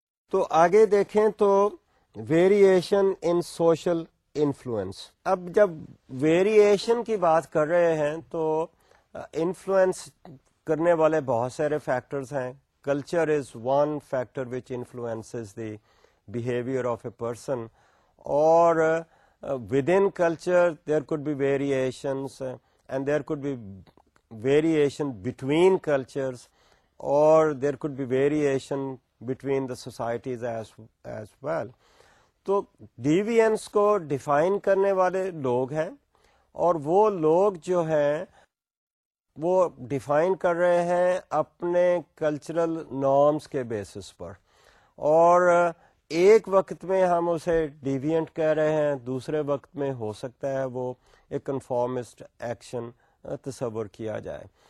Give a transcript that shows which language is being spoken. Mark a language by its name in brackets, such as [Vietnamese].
[Urdu] تو آگے دیکھیں تو [English] Variation in social influence. [Urdu] اب جب ویریشن کی بات کر رہے ہیں تو انفلوئنس کرنے والے بہت سارے فیکٹرز ہیں. [English] Culture is one factor which influences the behaviour of a person, اور within culture there could be variations and there could be variation between cultures اور there could be variation between the societies as well. [Urdu] تو deviance کو define کرنے والے لوگ ہیں, اور وہ لوگ جو ہیں وہ ڈیفائن کر رہے ہیں اپنے کلچرل نارمز کے بیسس پر, اور ایک وقت میں ہم اسے ڈیوینٹ کہہ رہے ہیں, دوسرے وقت میں ہو سکتا ہے وہ ایک کنفارمسٹ ایکشن تصور کیا جائے.